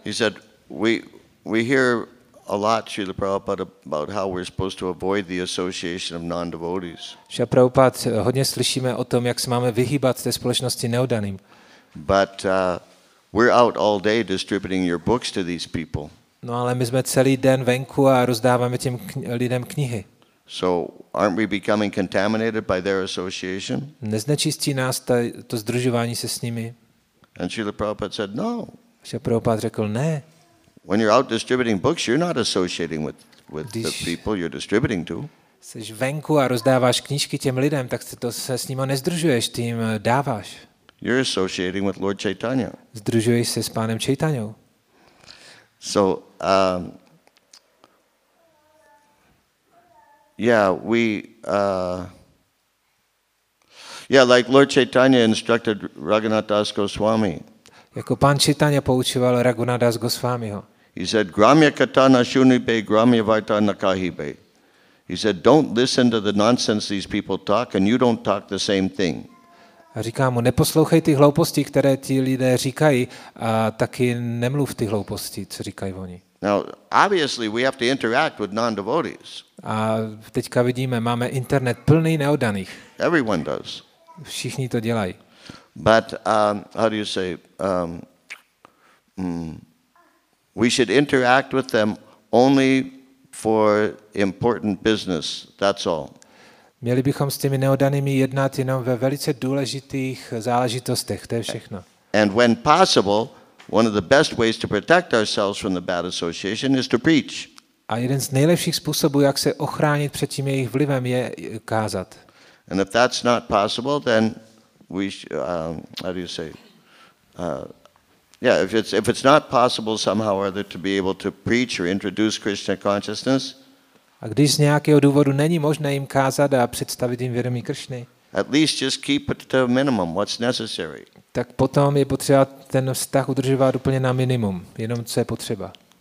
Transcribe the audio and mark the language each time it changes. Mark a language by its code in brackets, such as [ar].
[en] He said, we hear a lot Srila Prabhupada about how we're supposed to avoid the association of non-devotees. [cs] Srila Prabhupad, hodně slyšíme o tom, jak se máme vyhýbat té společnosti neoddaným. [en] But we're out all day distributing your books to these people. [cs] No, ale my jsme celý den venku a rozdáváme těm lidem knihy. [en] So aren't we becoming contaminated by their association? [cs] Neznečistí nás to sdružování se s nimi? [en] And Srila Prabhupada said no. [cs] Srila Prabhupada řekl ne. [en] When you're out distributing books, you're not associating with the people you're distributing to. [cs] Seš venku a rozdáváš knížky těm lidem, tak se to se s nimi nezdružuješ, ty jim dáváš. [en] You're associating with Lord Chaitanya. [cs] Združuješ se s pánem Chaitanyou. [en] So like Lord Chaitanya instructed Raghunath Das Goswami. [cs] Jako pán Chaitanya poučoval Raghunath Das Goswamiho. [en] He said, [bn] "Gramya katana shunibe, gramya vaita nakahibe." [en] He said, "Don't listen to the nonsense these people talk, and you don't talk the same thing." [cs] A říká mu, neposlouchej ty hlouposti, které ti lidé říkají, a taky nemluv ty hlouposti, co říkají oni. [en] Now, obviously we have to interact with non-devotees. [cs] A teďka vidíme, máme internet plný neoddaných. [en] Everyone does. [cs] Všichni to dělají. [en] But how do you say, we should interact with them only for important business, that's all. [cs] Měli bychom s těmi neodanými jednat jenom ve velice důležitých záležitostech, to je všechno. [en] And when possible, one of the best ways to protect ourselves from the bad association is to preach. [cs] A jeden z nejlepších způsobů, jak se ochránit před tím jejich vlivem, je kázat. [en] And if that's not possible, then we how do you say if it's not possible somehow or other to be able to preach or introduce Krishna consciousness. [cs] A když z nějakého důvodu není možné jim kázat a představit jim vědomí Kršny, [en] at least just keep it to minimum, what's necessary. [cs] Tak potom je potřeba ten vztah udržovat úplně na minimum, jenom co je potřeba.